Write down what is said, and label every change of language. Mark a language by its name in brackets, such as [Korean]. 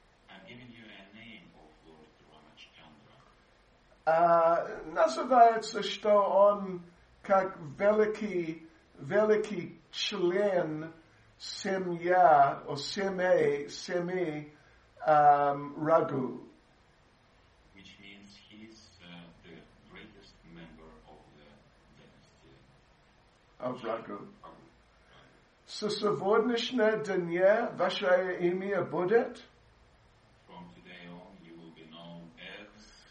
[English] I'm giving you a name of Lord Рамачандра. [Russian] Называется, что он как великий член семья, or семьи Рагу. [English] Which means he is the greatest member of the dynasty. Of Рагу. So, [Russian] сегодняшнего дня ваше имя будет? [English] From today on, you will be known as